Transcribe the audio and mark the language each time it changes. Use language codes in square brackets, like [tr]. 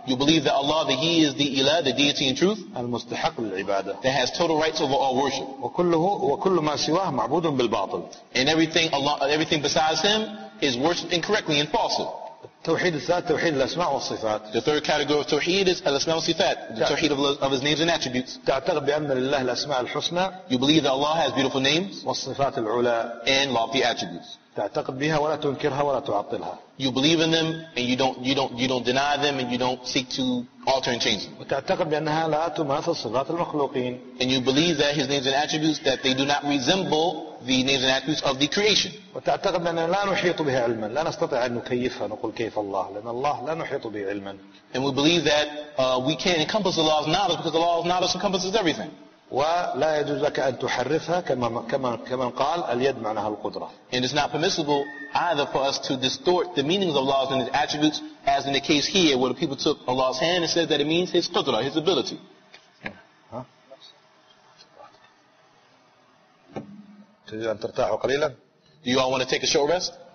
[en] You believe that Allah, that He is the Ilah, the deity in truth. [ar] المستحق للعبادة. [en] That has total rights over all worship. [ar] وكل ما سواه معبود بالباطل. [en] And everything Allah, everything besides Him is worshipped incorrectly and falsely. [ar] التوحيد الثالث توحيد الأسماء والصفات. [en] The third category of توحيد is الأسماء والصفات. The توحيد of His names and attributes. [ar] تعتقد بأن لله الأسماء الحسنى. [en] You believe that Allah has beautiful names. [ar] والصفات العلى. [en] And lofty attributes. [ar] تعتقد بها ولا تنكرها ولا تعطلها. [en] You believe in them and you don't deny them and you don't seek to alter and change them. [ar] وتعتقد بأنها لا تماثل صفات المخلوقين. [en] And you believe that His names and attributes, that they do not resemble the names and attributes of the creation. [ar] وتعتقد أننا لا نحيط بها علما لا نستطيع أن نكيفها نقول كيف الله لأن الله لا نحيط به علما. [en] And we believe that we can't encompass the law of knowledge because the law of knowledge encompasses everything. [ar] ولا يجوز لك أن تحرفها كما قال اليد معناها القدرة. [en] And it's not permissible either for us to distort the meanings of laws and His attributes, as in the case here where the people took Allah's hand and said that it means His قدرة, His ability. [ar] تريد أن ترتاحوا قليلا؟ [en] Do you all want to take a short rest?